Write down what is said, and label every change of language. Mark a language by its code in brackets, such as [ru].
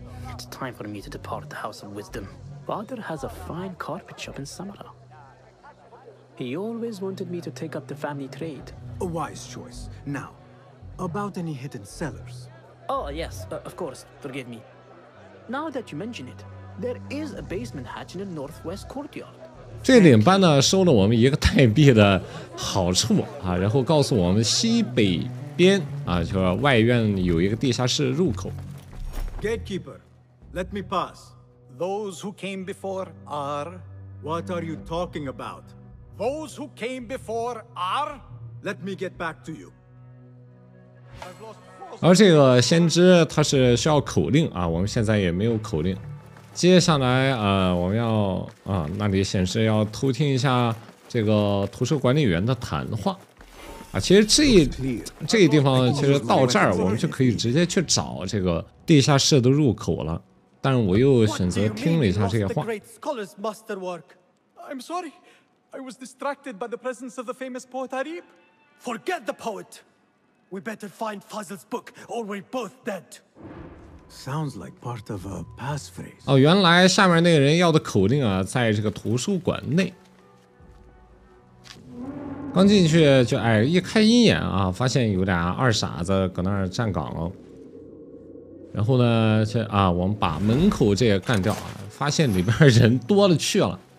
[en] It's time for me to depart the House of Wisdom. Father has a fine carpet shop in Samara. He always wanted me to take up the family trade. A wise choice. Now, about any hidden cellars? Oh, yes, of course, forgive me. Now that you mention it, there is a basement hatch in the northwest courtyard. [zh] 这领班呢收了我们一个代币的好处啊，然后告诉我们西北边啊，就是外院有一个地下室入口。 [en] Gatekeeper, let me pass. Those who came before are. What are you talking about? Those who came before are. Let me get back to you. I've lost. [zh] 而这个先知他是需要口令啊，我们现在也没有口令。接下来我们要那里显示要偷听一下这个图书管理员的谈话啊。其实这个地方其实到这儿我们就可以直接去找这个地下室的入口了，但我又选择听了一下这个话。 [en] I'm sorry, I was distracted by the presence of the famous poet Arib. Forget the poet. We better find Fuzzle's book, or we're both dead. Sounds like part of a passphrase. [zh] 哦，原来下面那个人要的口令啊，在这个图书馆内。刚进去就一开鹰眼啊，发现有俩二傻子搁那儿站岗了。然后呢，我们把门口这也干掉啊，发现里边人多了去了。